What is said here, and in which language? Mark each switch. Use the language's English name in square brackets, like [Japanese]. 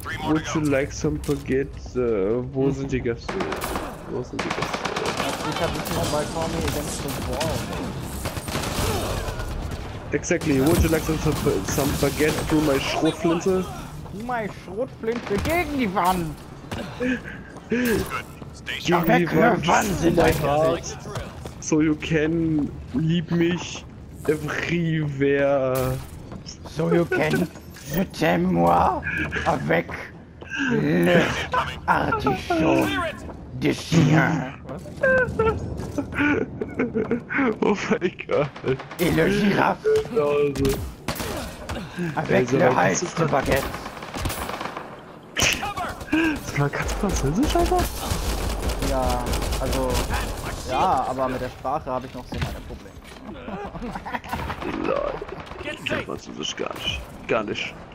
[English] would you like some baguette? [German] Wo sind die Gäste? Wo sind die Gäste? Ich hab nicht mehr bei Tommy [English] against the wall. Exactly, would you like some baguette through my Schrotflinte? Through my [German] Schrotflinte gegen die Wand! Gegen die Wand [English] in my heart! So you can [German] lieb mich [English] everywhere! So you can [French] je t'aime moi avec le artichaut de chien! [English] Oh my god! [French] Et le girafe! Genre. Avec le Hals de Baguette! [English] Cover! [German] Kannst du Französisch, Alter? Ja, also. Ja, aber mit der Sprache habe ich noch so meine Probleme. Lol. Ich kann Französisch gar nicht. Gar nicht.